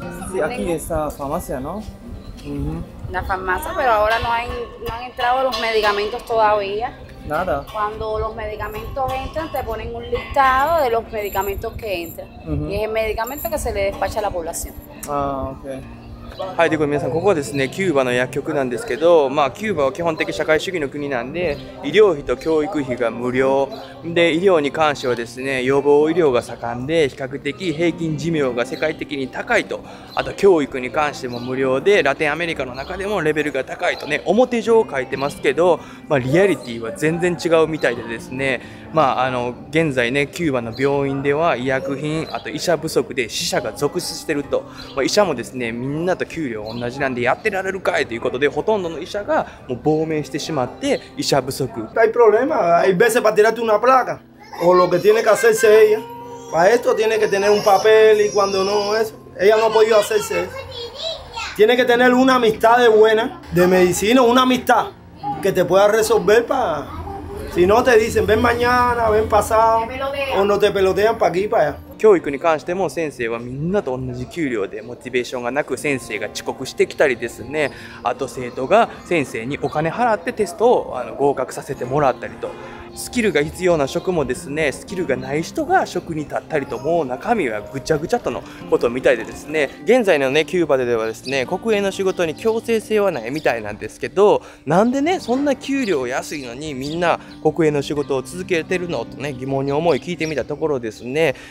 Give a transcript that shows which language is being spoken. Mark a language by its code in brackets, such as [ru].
[es] Sí, aquí está la farmacia, ¿no? La farmacia, pero ahora no, hay, no han entrado los medicamentos todavía. Nada. Cuando los medicamentos entran, te ponen un listado de los medicamentos que entran. Uh-huh. Y es el medicamento que se le despacha a la población. Ah, ok. [ja] はい、ということで皆さん、ここはですねキューバの薬局なんですけど、まあキューバは基本的社会主義の国なんで医療費と教育費が無料で、医療に関してはですね予防医療が盛んで比較的平均寿命が世界的に高いと、あと教育に関しても無料でラテンアメリカの中でもレベルが高いとね、表上書いてますけど、まあリアリティは全然違うみたいでですね、まあ現在ねキューバの病院では医薬品あと医者不足で死者が続出してると、まあ、医者もですねみんなと給料同じなんでやってられるかいということで、ほとんどの医者がもう亡命してしまって医者不足。 [es] Hay problema, hay veces para tirarte una placa o lo que tiene que hacerse ella. Para esto tiene que tener un papel y cuando no eso, ella no ha podido hacerse. Tiene que tener una amistad de buena de medicina, una amistad que te pueda resolver para. Si no te dicen ven mañana, ven pasado o no te pelotean para aquí para allá. [ja] 教育に関しても先生はみんなと同じ給料でモチベーションがなく、先生が遅刻してきたりですね、あと生徒が先生にお金払ってテストを合格させてもらったりと、スキルが必要な職もですねスキルがない人が職に立ったりと、もう中身はぐちゃぐちゃとのことみたいでですね、現在のねキューバではですね国営の仕事に強制性はないみたいなんですけど、なんでねそんな給料安いのにみんな国営の仕事を続けてるのとね疑問に思い聞いてみたところですね、